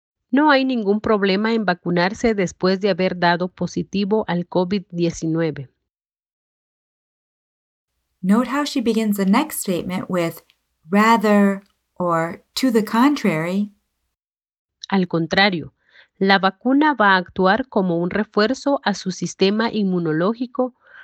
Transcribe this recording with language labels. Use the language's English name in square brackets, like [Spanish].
[Spanish] No hay ningún problema en vacunarse después de haber dado positivo al COVID-19. [English] Note how she begins the next statement with rather or to the contrary. [Spanish] Al contrario. La vacuna va a actuar como un refuerzo a su sistema inmunológico.